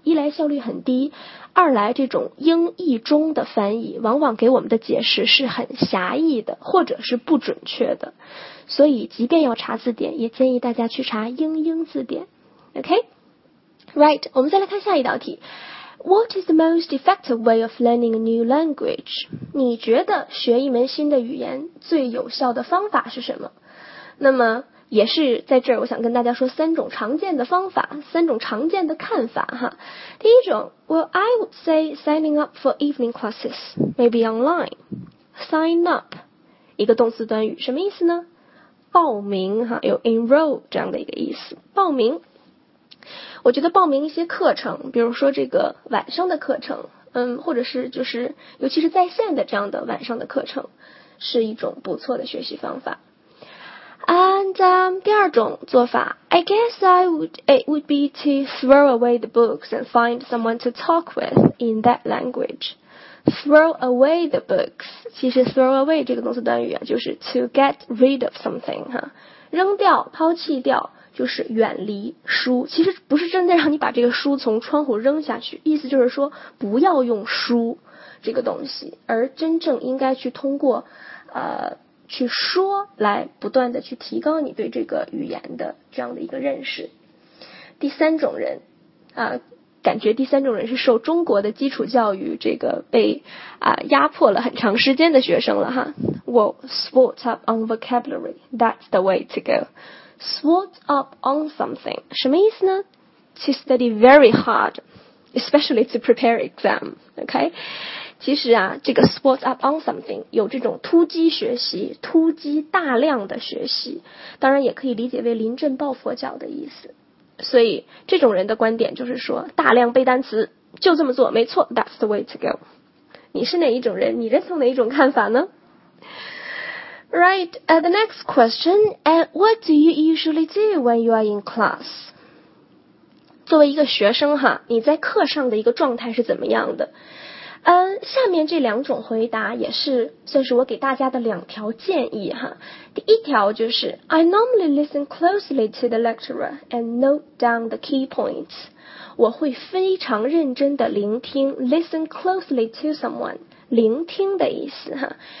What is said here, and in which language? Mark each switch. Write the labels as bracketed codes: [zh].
[zh] 一来效率很低，二来这种英译中的翻译往往给我们的解释是很狭义的，或者是不准确的。所以即便要查字典，也建议大家去查英字典。 [en] OK Right， [zh] 我们再来看下一道题。 [en] What is the most effective way of learning a new language? [zh] 你觉得学一门新的语言最有效的方法是什么？那么也是在这儿，我想跟大家说三种常见的方法，三种常见的看法哈。第一种 [en] ，Well, I would say signing up for evening classes, maybe online. Sign up， [zh] 一个动词短语，什么意思呢？报名哈，有 enroll 这样的一个意思，报名。我觉得报名一些课程，比如说这个晚上的课程，或者是就是尤其是在线的这样的晚上的课程，是一种不错的学习方法。 [en] And, [zh] 第二种做法 [en] ，I guess it would be to throw away the books and find someone to talk with in that language. Throw away the books， [zh] 其实 throw away 这个动词短语啊，就是 [en] to get rid of something [zh] 哈，扔掉、抛弃掉。就是远离书，其实不是真的让你把这个书从窗户扔下去，意思就是说不要用书这个东西，而真正应该去通过去说来不断的去提高你对这个语言的这样的一个认识。第三种人感觉第三种人是受中国的基础教育这个被压迫了很长时间的学生了哈。 [en] Well, sport up on vocabulary, that's the way to goSwat up on something [zh] 什么意思呢？ [en] To study very hard, especially to prepare exam. [zh] OK， 其实啊，这个 [en] swat up on something [zh] 有这种突击学习、突击大量的学习，当然也可以理解为临阵抱佛脚的意思。所以这种人的观点就是说大量背单词就这么做没错 [en] That's the way to go [zh] 你是哪一种人你认同哪一种看法呢 [en] Right, the next question And what do you usually do when you are in class? [zh] 作为一个学生哈你在课上的一个状态是怎么样的下面这两种回答也是算是我给大家的两条建议哈。第一条就是 [en] I normally listen closely to the lecturer and note down the key points [zh] 我会非常认真的聆听 [en] listen closely to someone [zh] 聆听的意思哈